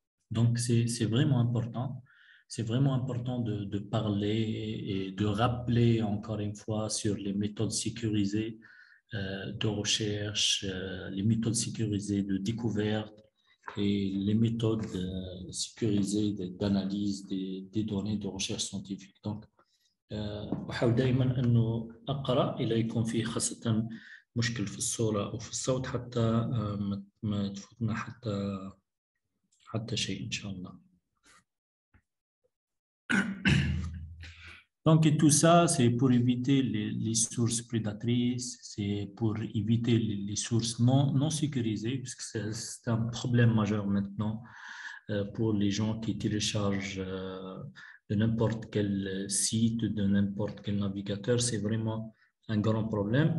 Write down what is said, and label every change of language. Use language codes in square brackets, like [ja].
[fr] Donc, c'est vraiment important. C'est vraiment important de parler et de rappeler encore une fois sur les méthodes sécurisées de recherche, les méthodes sécurisées de découverte et les méthodes sécurisées d'analyse des données de recherche scientifique. [ar] Donc, أحاول دائما أنه أقرأ إليكم في خاصة مشكل في الصورة أو في الصوت حتى ما تفوتنا حتى شيء إن شاء الله. [fr] Donc et tout ça c'est pour éviter les sources prédatrices, c'est pour éviter les sources non sécurisées parce que c'est un problème majeur maintenant pour les gens qui téléchargent de n'importe quel site, de n'importe quel navigateur, c'est vraiment un grand problème.